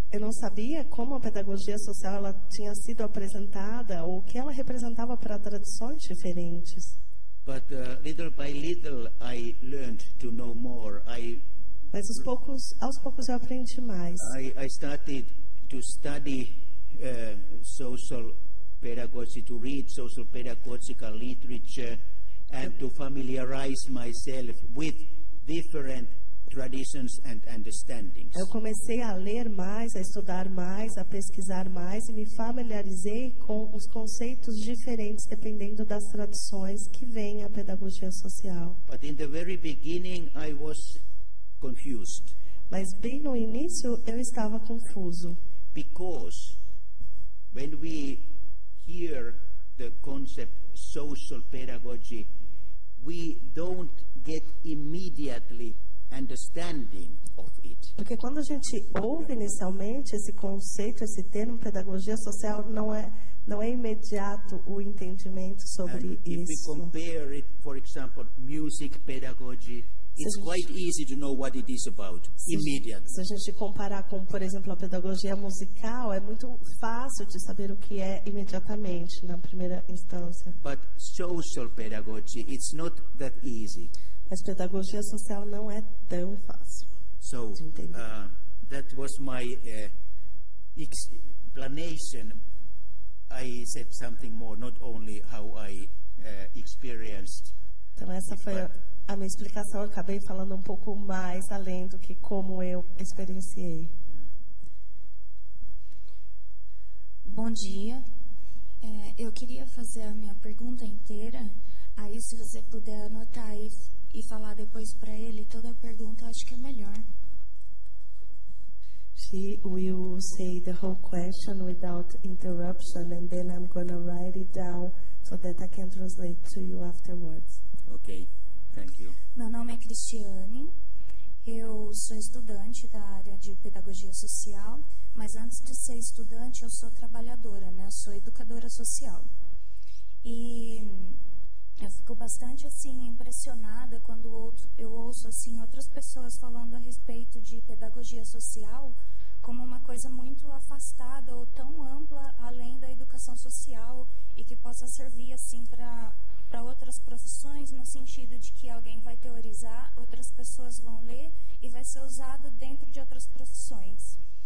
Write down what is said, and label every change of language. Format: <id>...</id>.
<pt>Eu não sabia como a pedagogia social ela tinha sido apresentada ou o que ela representava para tradições diferentes.</pt> <en>But little by little I learned to know more.</en> <pt>Mas aos poucos eu aprendi mais.</pt> <en>I started to study social pedagogy, to read social pedagogical literature and to familiarize myself with different traditions and understandings.</en> <pt>Eu comecei a ler mais, a estudar mais, a pesquisar mais e me familiarizei com os conceitos diferentes dependendo das tradições que vêm à pedagogia social.</pt> <en>But in the very beginning I was confused.</en> <pt>Mas bem no início eu estava confuso.</pt> <en>Because when we hear the concept social pedagogy, we don't get immediately understanding of it.</en> <pt>Porque quando a gente ouve inicialmente esse conceito, esse termo pedagogia social, não é imediato o entendimento sobre isso.</pt> <en>If we compare it, for example, music pedagogy, it's quite easy to know what it is about immediately.</en> <pt>Se a gente comparar com, por exemplo, a pedagogia musical, é muito fácil de saber o que é imediatamente na primeira instância.</pt> <en>But social pedagogy, it's not that easy.</en> <pt>Mas pedagogia social não é tão fácil.</pt> <en>So that was my explanation. I said something more, not only how I experienced.</en> <pt>Então essa foi a minha explicação, eu acabei falando um pouco mais além do que como eu experienciei. Bom dia. Eu queria fazer a minha pergunta inteira. Aí, se você puder anotar e falar depois para ele toda a pergunta, acho que é melhor.</pt> <en>She will say the whole question without interruption, and then I'm going to write it down so that I can translate to you afterwards. Okay. Thank you.</en> <pt>Meu nome é Cristiane, eu sou estudante da área de pedagogia social, mas antes de ser estudante eu sou trabalhadora, né? Eu sou educadora social. E eu fico bastante assim impressionada quando eu ouço assim outras pessoas falando a respeito de pedagogia social como uma coisa muito afastada ou tão ampla além da educação social e que possa servir assim para outras profissões, no sentido de que alguém vai teorizar, outras pessoas vão ler e vai ser usado dentro de outras profissões.</pt>